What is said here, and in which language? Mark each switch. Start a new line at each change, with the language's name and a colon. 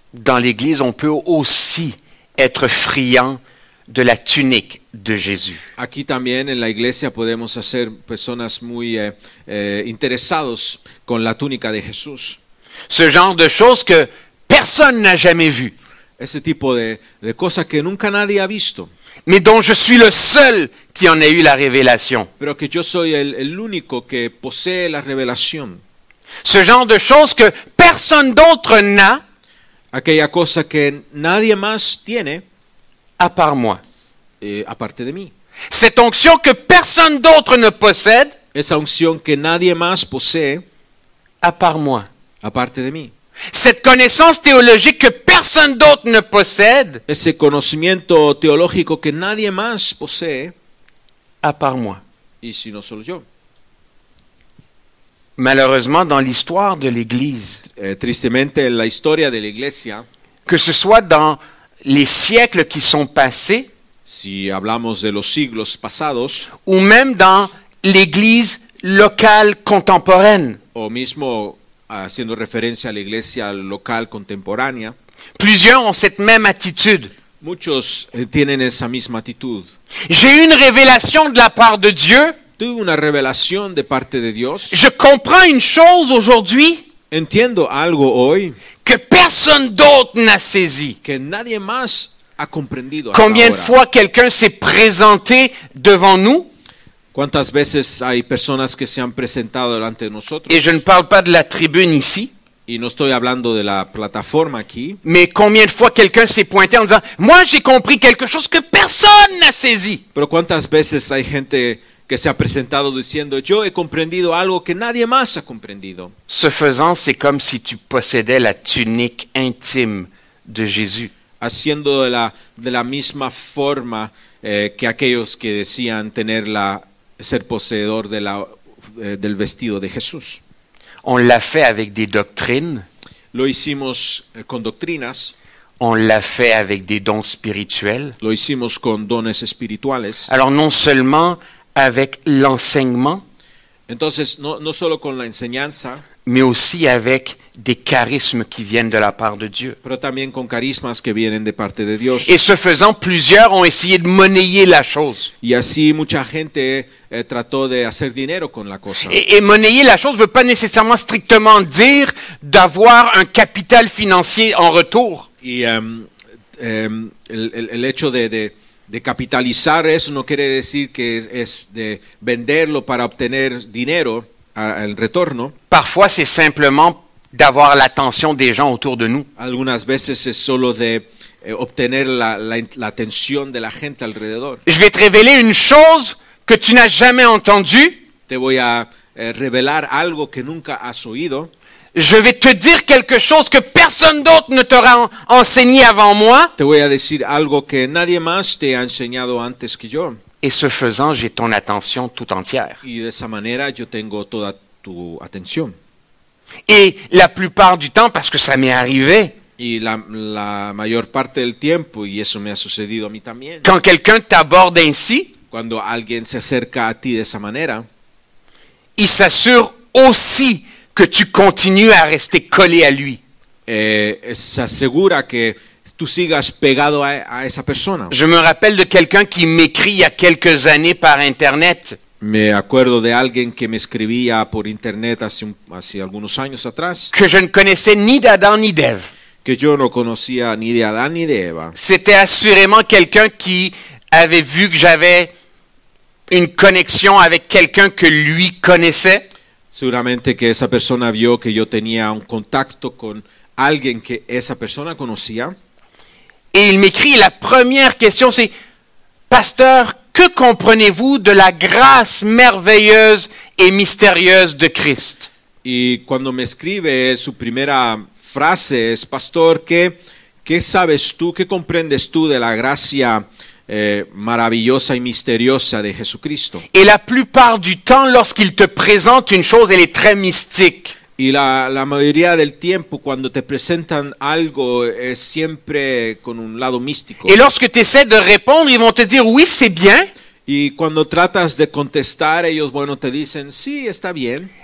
French: Dans l'Église, on peut aussi être friand de la tunique de Jésus.
Spanish: Aquí también en la iglesia podemos ser personas muy interesados con la túnica de Jesús.
French: Ce genre de choses que personne n'a jamais vu.
Spanish: Ese tipo de cosas que nunca nadie ha visto.
French: Mais dont je suis le seul qui en ait eu la révélation.
Spanish: Pero que yo soy el único que posee la revelación.
French: Ce genre de choses que personne d'autre n'a.
Spanish: Aquella cosa que nadie más tiene.
French: À part moi. Et à part
Spanish: de mí.
French: Cette onction que personne d'autre ne possède.
Spanish: Esa unción que nadie más posee.
French: À part moi.
Spanish: A parte de mí.
French: Cette connaissance théologique que personne d'autre ne possède.
Spanish: Ese conocimiento teológico que nadie más posee.
French: À part moi.
Spanish: Y si no solo yo.
French: Malheureusement, dans l'histoire de l'Église.
Spanish: Tristemente, en la historia de la Iglesia.
French: Que ce soit dans les siècles qui sont passés.
Spanish: Si hablamos de los siglos pasados.
French: Ou même dans l'Église locale contemporaine.
Spanish: O mismo haciendo referencia a la iglesia local contemporánea.
French: Plusieurs ont cette même attitude.
Spanish: Muchos tienen esa misma actitud.
French: J'ai une révélation de la part de Dieu.
Spanish: Tuve una revelación de parte de Dios.
French: Je comprends une chose aujourd'hui.
Spanish: Entiendo algo hoy.
French: Que personne d'autre n'a saisi.
Spanish: Que nadie más ha comprendido.
French: Combien de fois quelqu'un s'est présenté devant nous?
Spanish: ¿Cuántas veces hay personas que se han presentado delante de nosotros?
French: Et je ne parle pas de la tribune ici.
Spanish: Y no estoy hablando de la plataforma aquí.
French: Mais combien de fois quelqu'un s'est pointé en disant, moi j'ai compris quelque chose que personne n'a saisi.
Spanish: Pero ¿cuántas veces hay gente que se ha presentado diciendo, yo he comprendido algo que nadie más ha comprendido?
French: Ce faisant, c'est comme si tu possédais la tunique intime de Jésus.
Spanish: Haciendo de la misma forma que aquellos que decían tener la ser poseedor de la del vestido de Jesús.
French: On l'a fait avec des doctrines.
Spanish: Lo hicimos con doctrinas.
French: On l'a fait avec des dons spirituels.
Spanish: Lo hicimos con dones espirituales.
French: Alors non seulement avec l'enseignement.
Spanish: Entonces no solo con la enseñanza.
French: Mais aussi avec des charismes qui viennent de la part de Dieu.
Spanish: Pero también con carismas que vienen de parte de Dios.
French: Et ce faisant, plusieurs ont essayé de monnayer la chose.
Spanish: Y así mucha gente trató de hacer dinero con la cosa.
French: Et monnayer la chose ne veut pas nécessairement strictement dire d'avoir un capital financier en retour.
Spanish: Y el hecho de capitalizar eso no quiere decir que es de venderlo para obtener dinero. El retorno.
French: Parfois, c'est simplement d'avoir l'attention des gens autour de nous.
Spanish: Algunas veces es solo de obtener la atención de la gente alrededor.
French: Je vais te révéler une chose que tu n'as jamais entendue.
Spanish: Te voy a revelar algo que nunca has oído.
French: Je vais te dire quelque chose que personne d'autre ne t'aura enseigné avant moi.
Spanish: Te voy a decir algo que nadie más te ha enseñado antes que yo.
French: Et ce faisant, j'ai ton attention tout entière.
Spanish: Y de esa manera yo tengo toda tu atención.
French: Et la plupart du temps, parce que ça m'est arrivé.
Spanish: Y la mayor parte del tiempo y eso me ha sucedido a mí también.
French: Quand quelqu'un t'aborde ainsi,
Spanish: cuando alguien se acerca a ti de esa manera,
French: il s'assure aussi que tu continues à rester collé à lui. S'assure
Spanish: que tu sigas pegado a esa persona.
French: Je me rappelle de quelqu'un qui m'écrit il y a quelques années par internet.
Spanish: Me acuerdo de alguien que me escribía por internet hace algunos años atrás.
French: Que je ne connaissais ni d'Adam ni d'Ève.
Spanish: Que yo no conocía ni de Adán ni de Eva.
French: C'était assurément quelqu'un qui avait vu que j'avais une connexion avec quelqu'un que lui connaissait.
Spanish: Seguramente que esa persona vio que yo tenía un contacto con alguien que esa persona conocía.
French: Et il m'écrit, la première question c'est, pasteur, que comprenez-vous de la grâce merveilleuse et mystérieuse de Christ?
Spanish: Y cuando me escribe su primera frase es, pastor, ¿qué sabes tú, qué comprendes tú de la gracia maravillosa y misteriosa de Jesucristo?
French: Et la plupart du temps, lorsqu'il te présente une chose, elle est très mystique.
Spanish: Y la mayoría del tiempo, cuando te presentan algo, es siempre con un lado místico.
French: Et lorsque tu essaies de répondre, ils vont te dire, oui, c'est bien.
Spanish: Y cuando tratas de contestar, ellos, bueno, te dicen, sí, está bien.